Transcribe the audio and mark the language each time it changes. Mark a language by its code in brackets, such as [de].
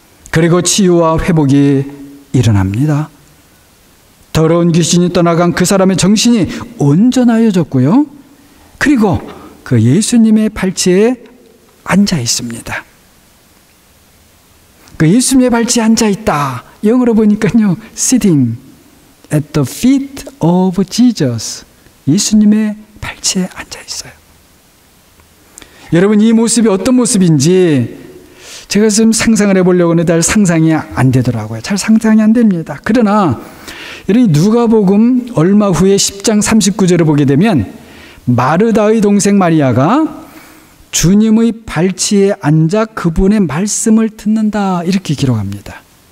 [ko] 그리고 치유와 회복이 일어납니다. 더러운 귀신이 떠나간 그 사람의 정신이 온전하여졌고요. 그리고 그 예수님의 발치에 앉아 있습니다. 그 예수님의 발치에 앉아 있다. 영어로 보니까요. [en] Sitting at the feet of Jesus. [ko] 예수님의 발치에 앉아 있어요. 여러분 이 모습이 어떤 모습인지 제가 지금 상상을 해보려고 하는데 잘 상상이 안 되더라고요. 잘 상상이 안 됩니다. 그러나 이런 누가복음 얼마 후에 10장 39절을 보게 되면 마르다의 동생 마리아가 주님의 발치에 앉아 그분의 말씀을 듣는다 이렇게 기록합니다.